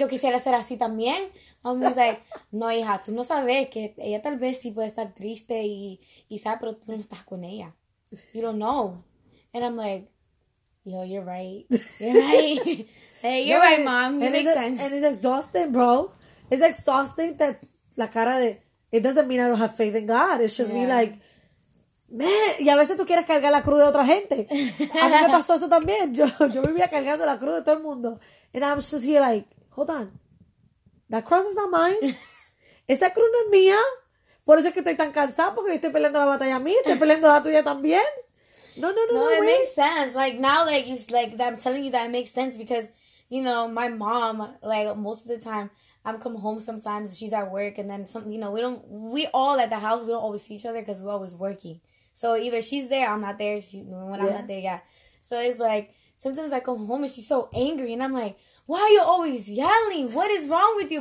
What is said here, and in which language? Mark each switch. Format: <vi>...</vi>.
<es>Yo quisiera ser así también.</es> <en>I'm just like,</en> <es>no, hija, tú no sabes que ella tal vez sí puede estar triste y sad, pero tú no estás con ella.</es> <en>You don't know. And I'm like, yo, you're right. You're right. Hey, you're no, right, mom. You make sense. And it's exhausting, bro. It's exhausting that</en> <es>la cara de,</es> <en>it doesn't mean I don't have faith in God. It's just me like, man.</en> <es>Y a veces tú quieres cargar la cruz de otra gente. A mí me pasó eso también. Yo vivía cargando la cruz de todo el mundo.</es> <en>And I was just here like, hold on. That cross is not mine.</en> <es>Esa cruz no es mía. Por eso es que estoy tan cansada porque yo estoy peleando la batalla a mí. Estoy peleando la tuya también. No,</es> <en>it makes sense. Like, now, like, you, like, that I'm telling you that it makes sense because, you know, my mom, like, most of the time, I'm come home sometimes, she's at work, and then, some, you know, we all at the house, we don't always see each other because we're always working. So either she's there, I'm not there, I'm not there, yeah. So it's like, sometimes I come home and she's so angry, and I'm like, why are you always yelling? What is wrong with you?</en>